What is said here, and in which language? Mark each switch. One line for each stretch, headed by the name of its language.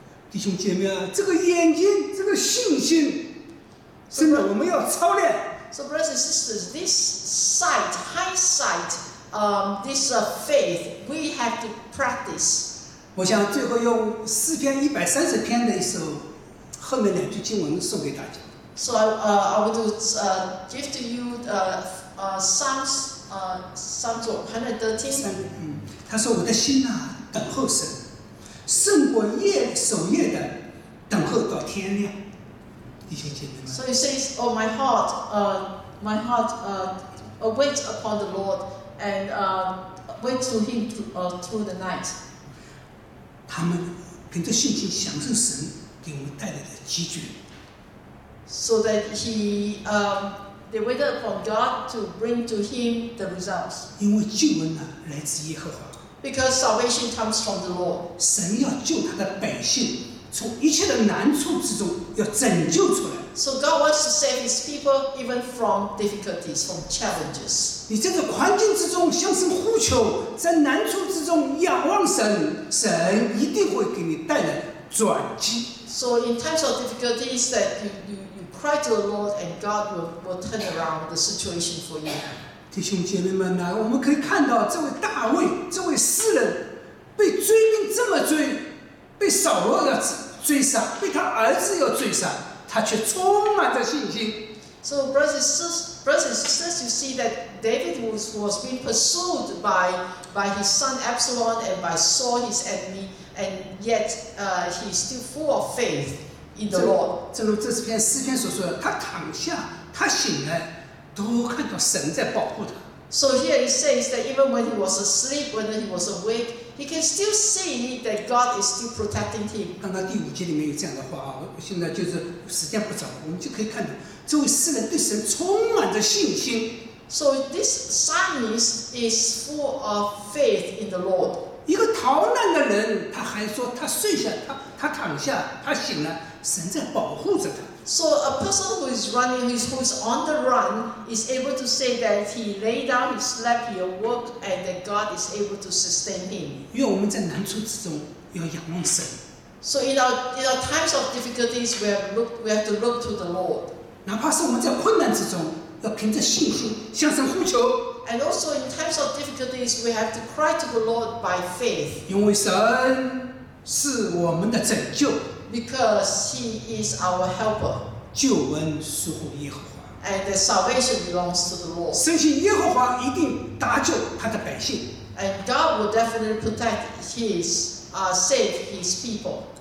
Chinese: 弟兄姐妹啊，这个眼睛，这个信心，真的我们要操练。
English: So brothers and sisters, this sight, hindsight, this faith, we have to practice.
Chinese: 我想最后用诗篇130篇的一首后面两句经文送给大家。
English: So I would give to you Psalms 113.
Chinese: 他说我的心啊，等候神，胜过夜守夜的等候到天亮。弟兄姐妹们。
English: So he says, Oh my heart, wait upon the Lord and wait to him through the night.
Chinese: 他们凭着信心享受神给我们带来的机聚。
English: So that he, they waited upon God to bring to him the results.
Chinese: 因为救恩呢来自耶和华。
English: Because salvation comes from the Lord.
Chinese: 神要救他的百姓，从一切的难处之中要拯救出来。
English: So God wants to save His people even from difficulties, from challenges.
Chinese: 你在这环境之中向神呼求，在难处之中仰望神，神一定会给你带来转机。
English: So in times of difficulties that you cry to the Lord and God will turn around the situation for you.
Chinese: 弟兄姐妹们啊，我们可以看到这位大卫，这位诗人被追兵这么追，被扫罗要追杀，被他儿子要追杀，他却充满着信心。
English: So brothers and sisters, you see that David was being pursued by his son Absalom and by Saul his enemy. And yet, he is still full of faith in the Lord.
Chinese: 正如这篇诗篇所说的，他躺下，他醒来，都看到神在保护他。
English: So here he says that even when he was asleep, when he was awake, He can still see that God is still protecting him.
Chinese: 刚刚第五节里面有这样的话啊，现在就是时间不早，我们就可以看到这位诗人对神充满着信心。
English: So this psalmist is full of faith in the Lord.
Chinese: 一个逃难的人，他还说他睡下，他躺下，他醒了，神在保护着他。
English: So a person who is running, who is on the run, is able to say that he lay down, he slept, he awoke, and that God is able to sustain him.
Chinese: 因为我们在难处之中要仰望神。
English: So in our times of difficulties, we have to look to the Lord.
Chinese: 哪怕是我们在困难之中，要凭着信心向神呼求。
English: And also in times of difficulties, we have to cry to the Lord by faith.
Chinese: 因为神是我们的拯救。
English: Because he is our helper.
Chinese: 救恩属乎耶和华。
English: And the salvation belongs to the Lord.
Chinese: 深信耶和华一定搭救他的百姓。
English: And God will definitely protect his, save his people.